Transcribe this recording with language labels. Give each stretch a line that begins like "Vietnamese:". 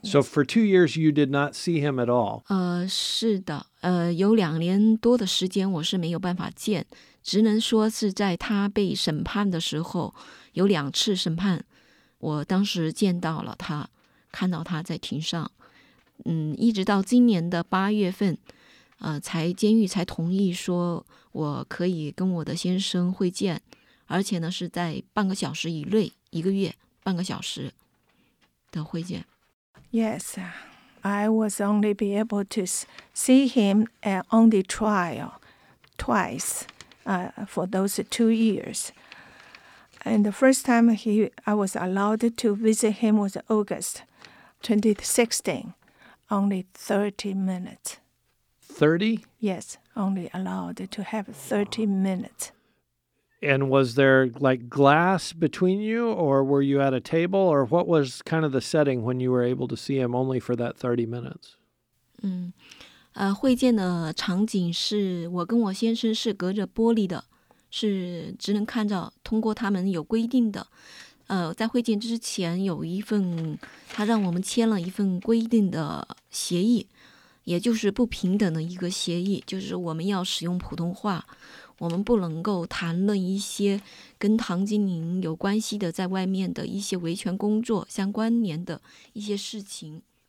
English: So for 2 years, you did not see him at all.
Chinese: 是的，有2年多的时间我是没有办法见，只能说是在他被审判的时候，有2次审判，我当时见到了他，看到他在庭上，一直到今年的8月份。才监狱才同意说我可以跟我的先生会见，而且呢是在半个小时以内，一个月半个小时的会见。
English: Yes, I was only be able to see him on the trial twice for those 2 years. And the first time I was allowed to visit him was August 2016, only 30 minutes. 30? Yes, only allowed to have 30 minutes. And was there like glass between you, or were you at a table, or what was kind of the setting when you were able to see him only for that 30 minutes?
Chinese: 会见的场景是我跟我先生是隔着玻璃的，是只能看到通过他们有规定的，在会见之前有一份他让我们签了一份规定的协议，也就是不平等的一个协议，就是我们要使用普通话，我们不能够谈论一些跟唐金玲有关系的在外面的一些维权工作相关联的一些事情。